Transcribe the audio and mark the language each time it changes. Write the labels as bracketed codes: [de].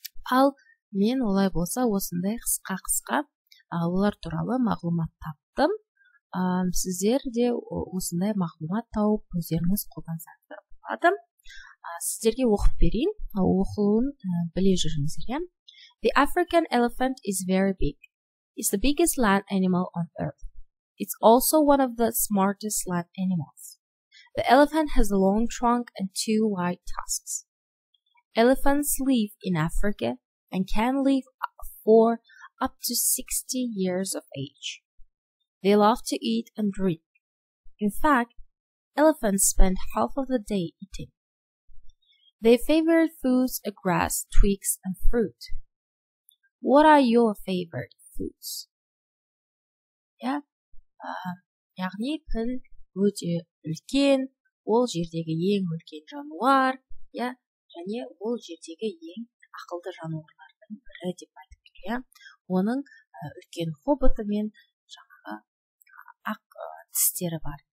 [kk] Ал мен олай болса осындай қысқа-қысқа олар туралы мағлұмат таптым. Сіздер де осындай мағлұмат тауып өздеріңіз қолдансаңдар болады. Сіздерге оқып берейін, оқылуын біле жүріңіздер. [en] The African elephant is very big. It's the biggest land animal on earth. It's also one of the smartest land animals. The elephant has a long trunk and 2 wide tusks. Elephants live in Africa and can live for up to 60 years of age. They love to eat and drink. In fact, elephants spend half of the day eating. Their favorite foods are grass, twigs, and fruit. What are your favorite foods? [kk] Яғни піл өте үлкен, ол жердегі ең үлкен жануар, және ол жердегі ең ақылды жануарлардың бірі деп айтып тұр. Оның үлкен хоботы мен жаңағы ақ тістері бар.